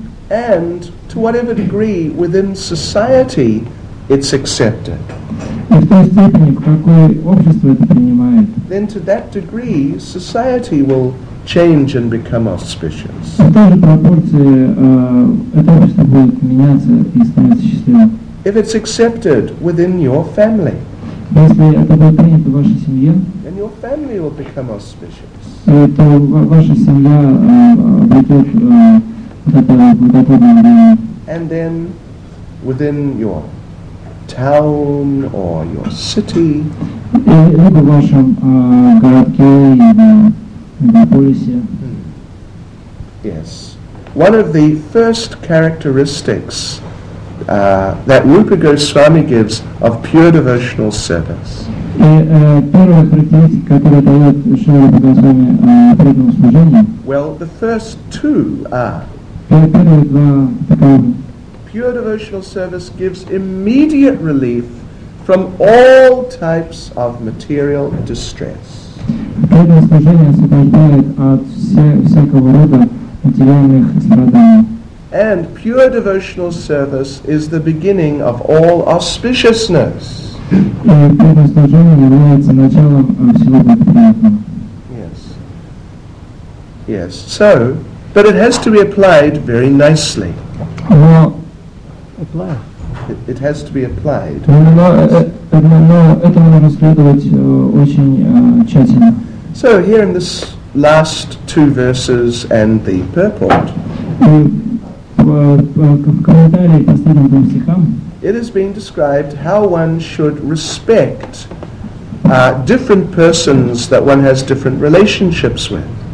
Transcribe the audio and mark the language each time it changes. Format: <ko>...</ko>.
<en>And to whatever degree within society it's accepted.</en> <ru>И в той степени, в какой общество это принимает.</ru> <en>Then to that degree, society will change and become auspicious.</en> <ru>В той же пропорции это общество будет меняться и становиться счастливым.</ru> <en>If it's accepted within your family.</en> <ru>Если это будет принято в вашей семье.</ru> <en>Then your family will become auspicious.</en> <ru>То ваша семья обретет это благотворное влияние.</ru> <en>And then within your town or your city.</en> <ru>Либо в вашем городке или полисе.</ru> <en>Yes. One of the first characteristics that Rupa Goswami gives of pure devotional service.</en> <ru>И первая характеристика, которую дает Шри Рупа Госвами преданному служению.</ru> <en>Well, the first two are.</en> <ru>Первые два таковы.</ru> <en>Pure devotional service gives immediate relief from all types of material distress.</en> <ru>Преданное служение освобождает от всякого рода материальных страданий.</ru> <en>And pure devotional service is the beginning of all auspiciousness.</en> <ru>И преданное служение является началом всего благоприятного.</ru> <en>Yes. Yes. So, but it has to be applied very nicely. It has to be applied.</en> <ru>Но это нужно следовать очень тщательно.</ru> <en>So here in this last two verses and the purport.</en> <ru>В комментарии к последним двум стихам.</ru> <en>it has been described how one should respect different persons that one has different relationships with.</en>